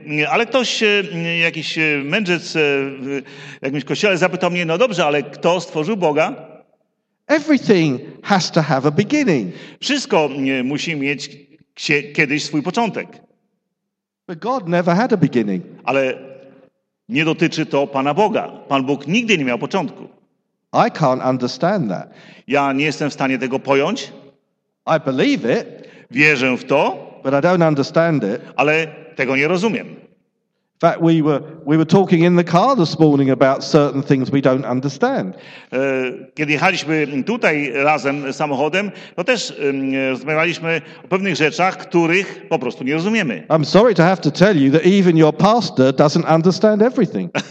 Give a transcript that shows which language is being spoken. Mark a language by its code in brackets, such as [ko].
[pl] Ale ktoś, jakiś mędrzec w jakimś kościele zapytał mnie, no dobrze, ale kto stworzył Boga? [en] Everything has to have a beginning. [pl] Wszystko musi mieć kiedyś swój początek. [en] But God never had a beginning. [pl] Ale nie dotyczy to Pana Boga. Pan Bóg nigdy nie miał początku. [en] I can't understand that. [pl] Ja nie jestem w stanie tego pojąć. [en] I believe it. [pl] Wierzę w to. [en] But I don't understand it. [pl] Ale tego nie rozumiem. [en] In fact, we were talking in the car this morning about certain things we don't understand. [pl] Kiedy jechaliśmy tutaj razem samochodem, to też rozmawialiśmy o pewnych rzeczach, których po prostu nie rozumiemy. [en] I'm sorry to have to tell you that even your pastor doesn't understand everything.